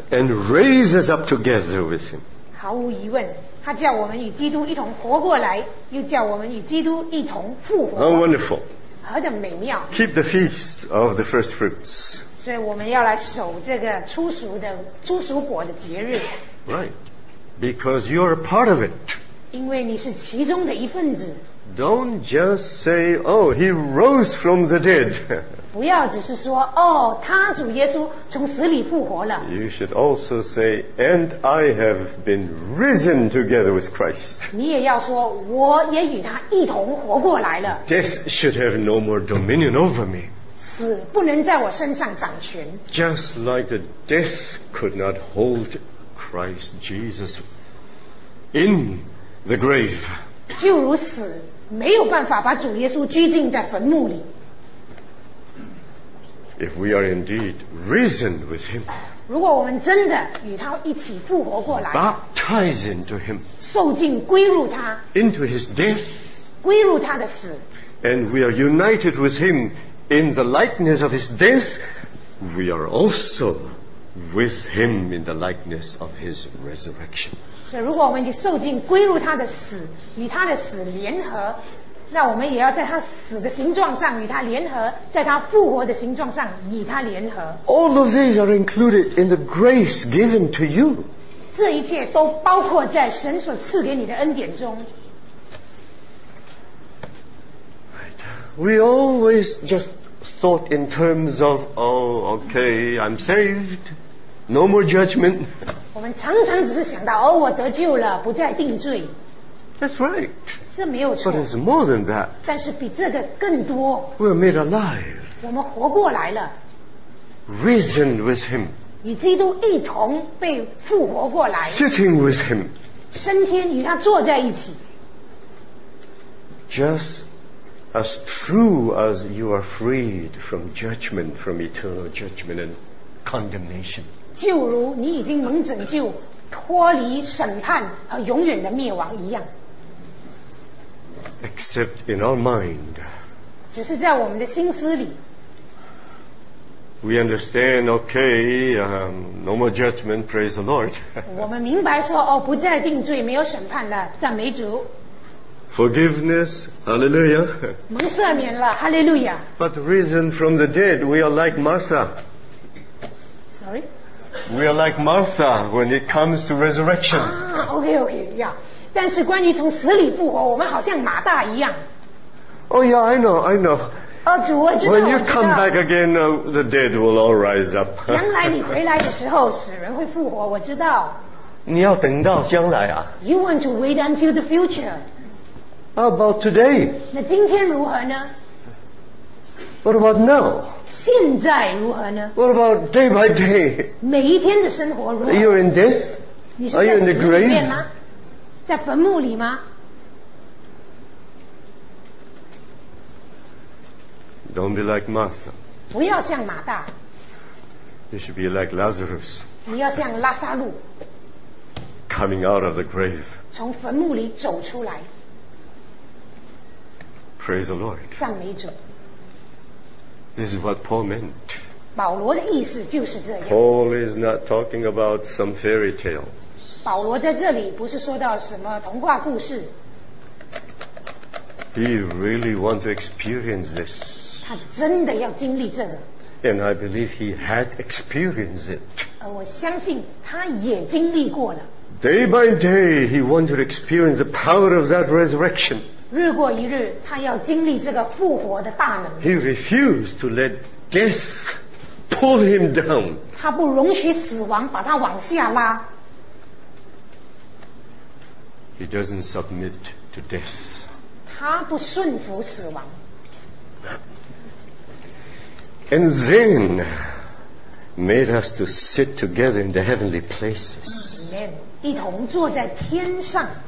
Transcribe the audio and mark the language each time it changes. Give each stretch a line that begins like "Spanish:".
English: And raise us up together with him.
Chinese: 毫无疑问，他叫我们与基督一同活过来，又叫我们与基督一同复活。
English: How wonderful.
Chinese: 何等美妙。
English: Keep the feast of the first fruits.
Chinese: 所以我们要来守这个初熟的初熟果的节日。
English: Right, because you are a part of it.
Chinese: 因为你是其中的一份子。
English: Don't just say, "Oh, he rose from the dead."
Chinese: 不要只是说，哦，他主耶稣从死里复活了。
English: You should also say, "And I have been risen together with Christ."
Chinese: 你也要说，我也与他一同活过来了。
English: Death should have no more dominion over me.
Chinese: 死不能在我身上掌权。
English: Just like the death could not hold Christ Jesus in the grave.
Chinese: 就如死没有办法把主耶稣拘禁在坟墓里。
English: If we are indeed risen with him,
Chinese: 如果我们真的与他一起复活过来，
English: baptize into him,
Chinese: 受浸归入他，
English: into his death,
Chinese: 归入他的死，
English: and we are united with him. In the likeness of his death, we are also with him in the likeness of his resurrection.
Chinese: 所以如果我们已经受尽归入他的死，与他的死联合，那我们也要在他死的形状上与他联合，在他复活的形状上与他联合。
English: All of these are included in the grace given to you.
Chinese: 这一切都包括在神所赐给你的恩典中。
English: We always just thought in terms of, oh, okay, I'm saved. No more judgment.
Chinese: 我们常常只是想到，哦，我得救了，不再定罪。
English: That's right.
Chinese: 这没有错。
English: But it's more than that.
Chinese: 但是比这个更多。
English: We're made alive.
Chinese: 我们活过来了。
English: Risen with him.
Chinese: 与基督一同被复活过来。
English: Sitting with him.
Chinese: 升天与他坐在一起。
English: Just. As true as you are freed from judgment, from eternal judgment and condemnation.
Chinese: 就如你已经蒙拯救，脱离审判和永远的灭亡一样。
English: Except in our mind.
Chinese: 只是在我们的心思里。
English: We understand, okay, no more judgment, praise the Lord.
Chinese: 我们明白说，哦，不再定罪，没有审判了，赞美主。
English: Forgiveness, hallelujah.
Chinese: 蒙赦免了，哈利路亚。
English: But risen from the dead, we are like Martha. Sorry? We are like Martha when it comes to resurrection. Ah, okay, okay, yeah.
Chinese: 但是关于从死里复活，我们好像马大一样。
English: Oh yeah, I know, I know.
Chinese: 哦，主，我知道。
English: When you come back again, the dead will all rise up.
Chinese: 将来你回来的时候，死人会复活，我知道。你要等到将来啊。
English: You want to wait until the future. How about today?
Chinese: 那今天如何呢？
English: What about now?
Chinese: 现在如何呢？
English: What about day by day?
Chinese: 每一天的生活如何？
English: Are you in death? Are you in the grave?
Chinese: 在坟墓里吗？
English: Don't be like Martha.
Chinese: 不要像马大。
English: You should be like Lazarus.
Chinese: 你要像拉撒路。
English: Coming out of the grave.
Chinese: 从坟墓里走出来。
English: Praise the Lord.
Chinese: 赞美主。
English: This is what Paul meant.
Chinese: 保罗的意思就是这样。
English: Paul is not talking about some fairy tale.
Chinese: 保罗在这里不是说到什么童话故事。
English: He really wants to experience this.
Chinese: 他真的要经历这个。
English: And I believe he had experienced it.
Chinese: 我相信他也经历过了。
English: Day by day, he wanted to experience the power of that resurrection.
Chinese: 日过一日，他要经历这个复活的大能。
English: He refused to let death pull him down.
Chinese: 他不容许死亡把他往下拉。
English: He doesn't submit to death.
Chinese: 他不顺服死亡。
English: And then made us to sit together in the heavenly places.
Chinese: Amen. 一同坐在天上。